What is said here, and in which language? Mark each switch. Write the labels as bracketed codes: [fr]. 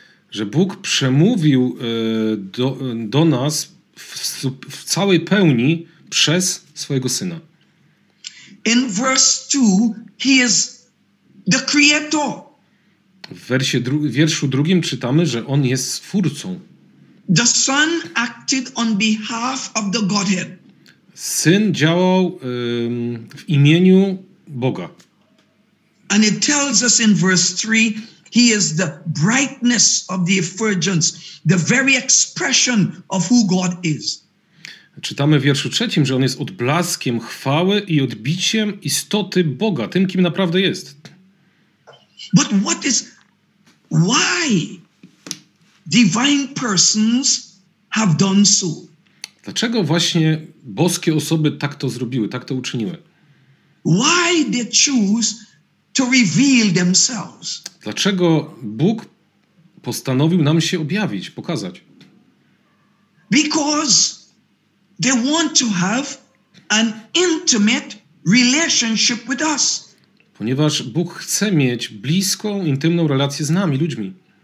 [pl] Że Bóg przemówił do nas w całej pełni przez swojego syna. [en] In verse 2 he is the creator. [pl] W wierszu drugim czytamy, że on jest twórcą. [en] The son acted on behalf of the Godhead. [pl] Syn działał w imieniu Boga. [en] And it tells us in verse 3, he is the brightness of the effulgence, the very expression of who God is. [pl] Czytamy w wierszu trzecim, że on jest odblaskiem chwały i odbiciem istoty Boga, tym kim naprawdę jest. [en] But what is, why divine persons have done so? [pl] Dlaczego właśnie boskie osoby tak to zrobiły, tak to uczyniły? [en] Why they choose to reveal themselves? [pl] Dlaczego Bóg postanowił nam się objawić, pokazać? [en] Because they want to have an intimate relationship with us. [pl] Ponieważ Bóg chce mieć bliską, intymną relację z nami, ludźmi.